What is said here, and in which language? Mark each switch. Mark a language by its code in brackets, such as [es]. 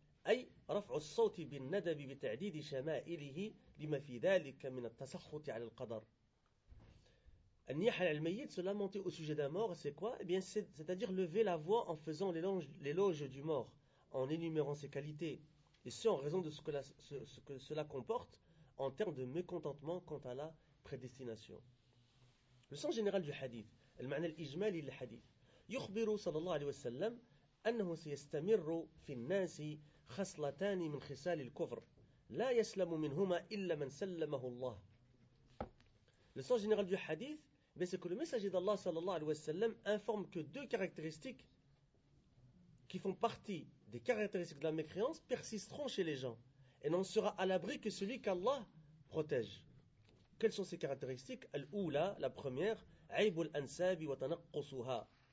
[ar] أي رفع الصوت بالندب بتعديد شمائله لما في ذلك من التسخط على القدر. النياحة على الميت, [fr] se lamenter au sujet d'un mort, c'est quoi? Eh bien, c'est-à-dire lever la voix en faisant l'éloge du mort, en énumérant ses qualités, et ce en raison de ce que cela comporte en termes de mécontentement quant à la prédestination. Le sens général du hadith, le [ar] معنى الإجمالي للحديث, يخبر صلى الله عليه وسلم أنه سيستمر في الناس خصلتان من خصال الكفر لا يسلم منهما إلا من سلمه الله. [fr] Le sens général du hadith Mais c'est que le messager d'Allah sallallahu alayhi wa sallam informe que deux caractéristiques qui font partie des caractéristiques de la mécréance persisteront chez les gens. Et n'en sera à l'abri que celui qu'Allah protège. Quelles sont ces caractéristiques? [ar] Al-oula, [fr] la première, [ar] aibul ansabi wa tanaqqusuha.